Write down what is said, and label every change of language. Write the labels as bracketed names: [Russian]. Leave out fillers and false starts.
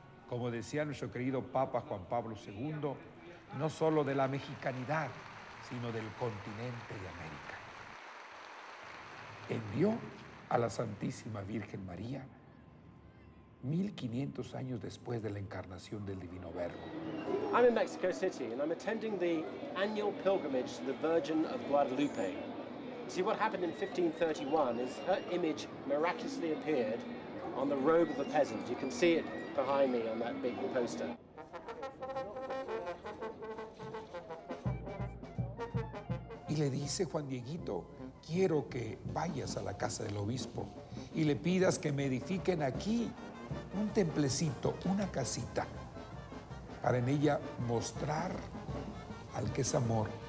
[Spanish] como decía nuestro querido Papa Juan Pablo II, no solo de la mexicanidad, sino del continente de América. Envió a la Santísima Virgen María 1500 años después de la encarnación del Divino Verbo. [English] I'm in Mexico City and I'm attending the annual pilgrimage to the Virgin of Guadalupe. See, what happened in 1531 is her image miraculously appeared on the robe of a peasant. You can see it behind me on that big poster. [Spanish] Y le dice Juan Dieguito, quiero que vayas a la casa del obispo y le pidas que me edifiquen aquí un templecito, una casita, para en ella mostrar al que es amor.